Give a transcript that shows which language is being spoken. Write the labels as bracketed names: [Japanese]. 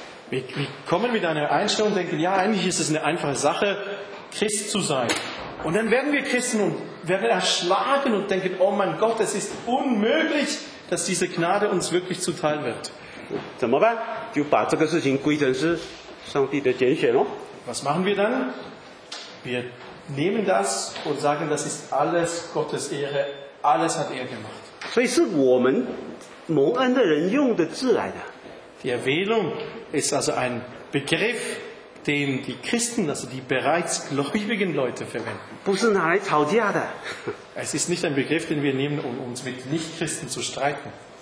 [German] Wir kommen mit einer Einstellung und denken, ja, eigentlich ist es eine einfache Sache, Christ zu sein. Und dann werden wir Christen und werden erschlagen und denken, oh mein Gott, es ist unmöglich, dass diese Gnade uns wirklich zuteil wird. [Chinese] 怎么办? 就把这个事情归成是上帝的拣选咯。 [German] Was machen wir dann? Wir nehmen das und sagen, das ist alles Gottes Ehre, alles hat er gemacht. [Chinese] 所以是我们蒙恩的人用的字来的。 [German] Die Erwählung ist also ein Begriff, den die Christen, also die bereits gläubigen Leute verwenden. [Chinese] 不是拿来吵架的。 [German] Es ist nicht ein Begriff, den wir nehmen, um uns mit Nichtchristen zu streiten.